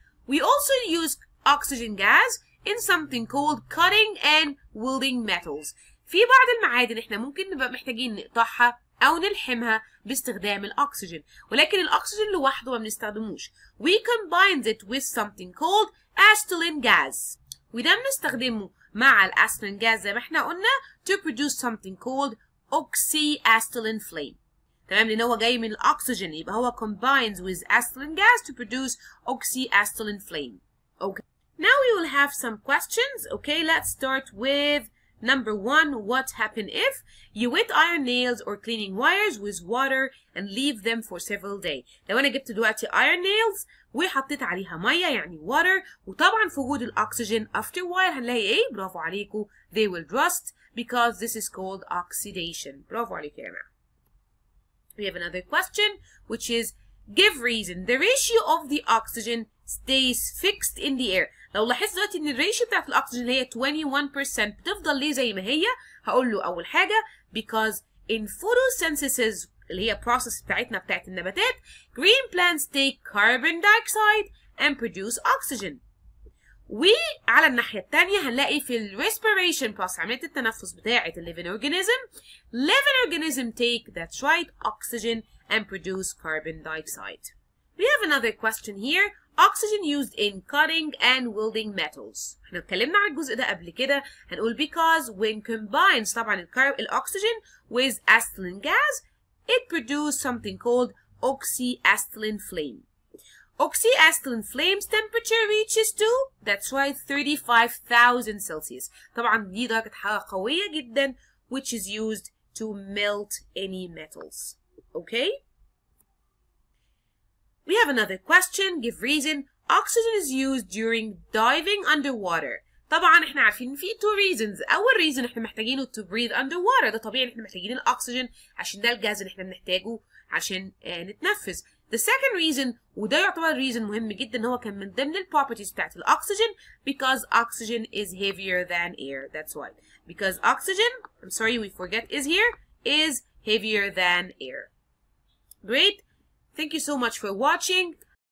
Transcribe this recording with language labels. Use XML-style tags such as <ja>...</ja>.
<en>We also use oxygen gas in something called cutting and welding metals.</en> <ar>في بعض المعادن احنا ممكن نبقى محتاجين نقطعها أو نلحمها باستخدام الأكسجين، ولكن الأكسجين لوحده ما بنستخدموش.</ar> <en>We combine it with something called acetylene gas.</en> <ar>وده بنستخدمه مع الأسيتلين جاز زي ما احنا قلنا</ar> <en>to produce something called oxyacetylene flame.</en> <ar>تمام، لأن هو جاي من الأكسجين يبقى هو</ar> <en>combines with acetylene gas to produce oxyacetylene flame. Okay. Now we will have some questions. Okay, let's start with Number 1, what happened if you wet iron nails or cleaning wires with water and leave them for several days?</en> <ar>لو انا جبت دلوقتي iron nails وحطيت عليها ميه يعني water وطبعا في وجود الاكسجين</ar> <en>after while</en> <ar>هنلاقي ايه؟ برافو عليكو،</ar> <en>they will rust because this is called oxidation.</en> <ar>برافو عليك يا جماعه.</ar> <en>We have another question which is give reason the ratio of the oxygen stays fixed in the air.</en> <ar>لو لاحظت دلوقتي ان الريشيو بتاعت الاكسجين اللي هي 21% بتفضل ليه زي ما هي؟ هقول له اول حاجه</ar> <en>because in photosynthesis</en> <ar>اللي هي process بتاعتنا بتاعت النباتات</ar> <en>green plants take carbon dioxide and produce oxygen.</en> <ar>وعلى الناحيه الثانيه هنلاقي في ال</ar> <en>respiration process</en> <ar>عمليه التنفس بتاعت ال</ar> <en>living organism take that's right oxygen and produce carbon dioxide. We have another question here. Oxygen used in cutting and welding metals.</en> <ar>احنا اتكلمنا عن الجزء ده قبل كده، هنقول</ar> <en>because when combines</en> <ar>طبعا الاكسجين</ar> <en>with acetylene gas it produces something called oxyacetylene flame. oxyacetylene flame's temperature reaches to, that's why 35,000 Celsius.</en> <ar>طبعا دي درجة حرارة قوية جدا,</ar> <en>which is used to melt any metals. Okay? We have another question. Give reason. Oxygen is used during diving underwater.</en> <ar>طبعا احنا عارفين في</ar> <en>two reasons.</en> <ar>اول reason احنا محتاجينه</ar> <en>to breathe underwater.</en> <ar>ده طبيعي احنا محتاجين الاكسجين عشان ده الغاز اللي احنا بنحتاجه عشان نتنفس.</ar> <en>The second reason,</en> <ar>وده يعتبر reason مهم جدا, هو كان من ضمن ال properties بتاعت الاكسجين,</ar> <en>because oxygen is heavier than air. That's why. Because oxygen, I'm sorry we forget is here, is heavier than air. Great. Thank you so much for watching.</en>